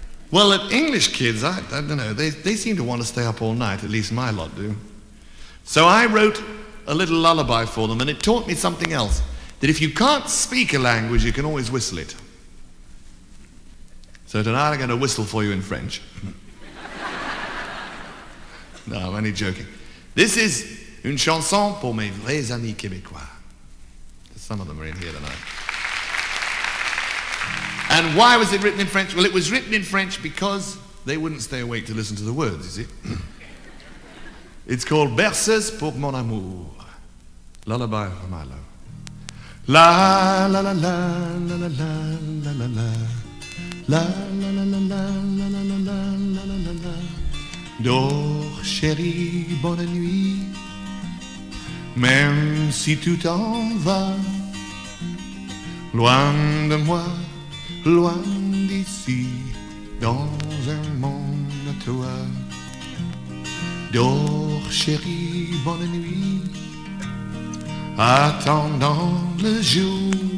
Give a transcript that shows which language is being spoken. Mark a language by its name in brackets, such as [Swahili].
[English] Well, at English kids, I don't know, they seem to want to stay up all night, at least my lot do. So I wrote a little lullaby for them, and it taught me something else, that if you can't speak a language, you can always whistle it. So tonight I'm going to whistle for you in French. No, I'm only joking. This is [French] une chanson pour mes vrais amis québécois. [English] Some of them are in here tonight. And why was it written in French? Well, it was written in French because they wouldn't stay awake to listen to the words, is it? It's called Berceuse pour mon amour. Lullaby for my love. La la la la la la la la la la la la la la la la la la la la la la la. [French] Dors, chérie, bonne nuit. Même si tu t'en vas loin de moi, loin d'ici, dans un monde à toi. Dors, chérie, bonne nuit, attendant le jour.